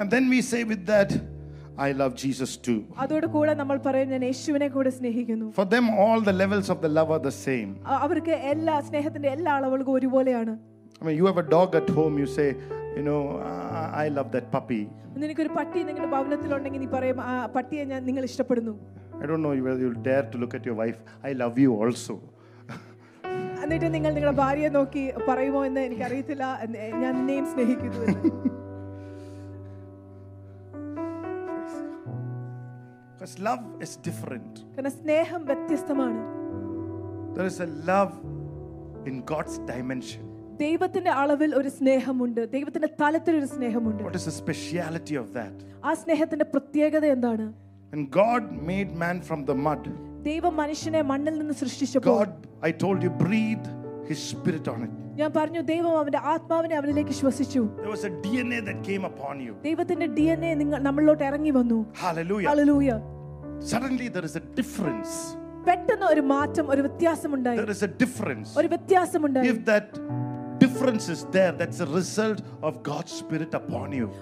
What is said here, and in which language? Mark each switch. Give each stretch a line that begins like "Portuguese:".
English: And then we say with that I love Jesus too.
Malayalam: Adodu kuda nammal parayum njan yeshuvine kuda snehikunnu.
English: For them all the levels of the love are the same.
Malayalam: Avarku ella snehathinte ella alavalku oru pole aanu.
English: I mean, you have a dog at home, you say, you know, I love that puppy.
Malayalam: നിനക്ക് ഒരു പട്ടി നിങ്ങളുടെ ഭവനത്തിൽ ഉണ്ടെങ്കിൽ നീ പറയും ആ പട്ടിയെ ഞാൻ നിങ്ങൾ ഇഷ്ടപ്പെടുന്നു.
English: I don't know whether you'll dare to look at your wife. I love you also.
Malayalam: എന്നിട്ട് നിങ്ങൾ നിങ്ങളുടെ ഭാര്യയെ നോക്കി പറയുമോ എന്ന് എനിക്ക് അറിയില്ല. ഞാൻ നിന്നെയും സ്നേഹിക്കുന്നു.
English: Because love is different.
Malayalam: കാരണം സ്നേഹം വ്യത്യസ്തമാണ്.
English: There is a love in God's dimension.
Malayalam: ദൈവത്തിന്റെ അളവിൽ ഒരു സ്നേഹമുണ്ട്. ദൈവത്തിന്റെ തലത്തിൽ ഒരു സ്നേഹമുണ്ട്.
English: What is the speciality of that?
Malayalam: ആ സ്നേഹത്തിന്റെ പ്രത്യേകത എന്താണ്?
English: And God made man from the mud.
Malayalam: ദൈവം മനുഷ്യനെ മണ്ണിൽ നിന്ന് സൃഷ്ടിച്ചപ്പോൾ
English: God, I told you, breathe his spirit on it.
Malayalam: ഞാൻ പറഞ്ഞു ദൈവം അവന്റെ ആത്മാവിനെ അവനിലേക്ക് ശ്വസിച്ചു.
English: There was a DNA that came upon you.
Malayalam: ദൈവത്തിന്റെ DNA നിങ്ങൾ നമ്മളിലോട്ട് ഇറങ്ങി വന്നു. Hallelujah. Hallelujah.
English: Suddenly there is a difference.
Malayalam: പെട്ടെന്ന് ഒരു മാറ്റം, ഒരു വ്യത്യാസം ഉണ്ടായി.
English: There is a difference.
Malayalam: ഒരു വ്യത്യാസം ഉണ്ടായി.
English: If that difference is there, that's a result of God's spirit upon you.